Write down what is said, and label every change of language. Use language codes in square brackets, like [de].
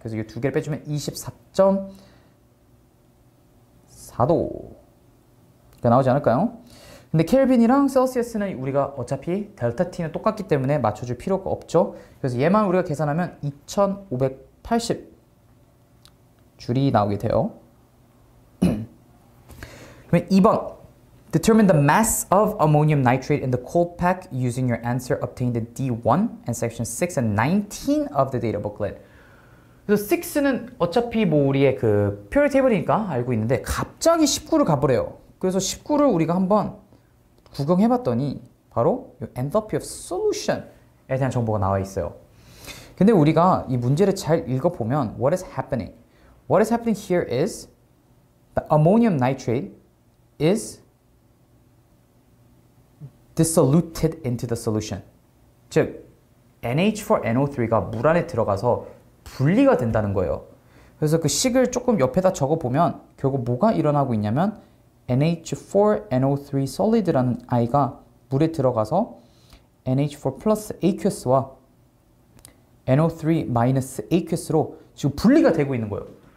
[ko] 그래서 이두 개를 빼주면 24.4도가 나오지 않을까요? 근데 켈빈이랑 셀시어스는 우리가 어차피 델타 T는 똑같기 때문에 맞춰줄 필요가 없죠. 그래서 얘만 우리가 계산하면 2580 줄이 나오게 돼요. 그럼 2번. [en] Determine the mass of ammonium nitrate in the cold pack using your answer obtained in D1 and section 6 and 19 of the data booklet. [ko] 그래서 6는 어차피 뭐 우리의 그 periodic table이니까 알고 있는데 갑자기 19를 가버려요. 그래서 19를 우리가 한번 구경해봤더니 바로 이 enthalpy of solution에 대한 정보가 나와 있어요. 근데 우리가 이 문제를 잘 읽어보면 [en] What is happening? What is happening here is the ammonium nitrate is dissoluted into the solution. [ko] 즉, NH4NO3가 물 안에 들어가서 분리가 된다는 거예요. 그래서 그 식을 조금 옆에다 적어보면 결국 뭐가 일어나고 있냐면 NH4NO3 solid라는 아이가 물에 들어가서 NH4 plus aqueous와 NO3 minus aqueous로 지금 분리가 되고 있는 거예요.